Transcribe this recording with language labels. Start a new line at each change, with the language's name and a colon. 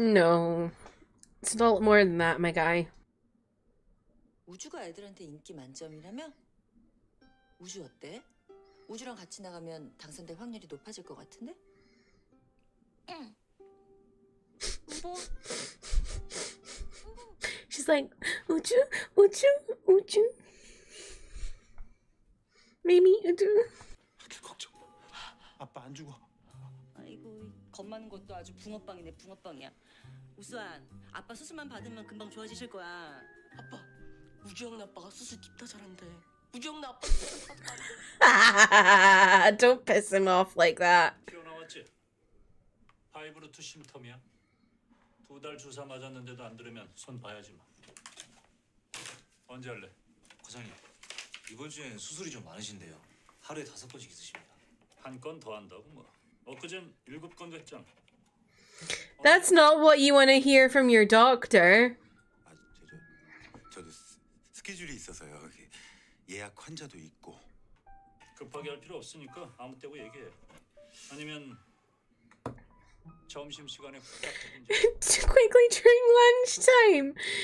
English: No, it's a lot more than that, my guy.
Korean: 우주가 애들한테 인기 만점이라며? 우주 어때? 우주랑 같이 나가면 당선될 확률이 높아질 것 같은데?
English: She's like, would you? Maybe you do.
Korean: 걱정. 아빠 안 죽어. 아이고, 겁 많은 것도 아주 붕어빵이네, 붕어빵이야. 우수한, 아빠 수술만 받으면 금방 좋아지실 거야. 아빠, 우주 형 아빠가 수술 깊다 잘한대. 우주 형 아빠.
English: Don't piss him off like that.
Korean: 튀어나왔지? 하이브루트 심텀이야. 두 달 주사 맞았는데도 안 들으면 손 봐야지 마. 언제 할래? 과장님, 이번 주엔 수술이 좀 많으신데요. 하루에 다섯 건씩 있으십니다. 한 건 더 한다고 뭐. 엊그젠 일곱 건 됐잖아.
English: That's not what you want to hear from your doctor.
Korean: 아, 저도 스케줄이 있어서요. 예약 환자도 있고. 급하게 할 필요 없으니까 아무 때고 얘기해. 아니면 점심 시간에
English: quickly during lunch time.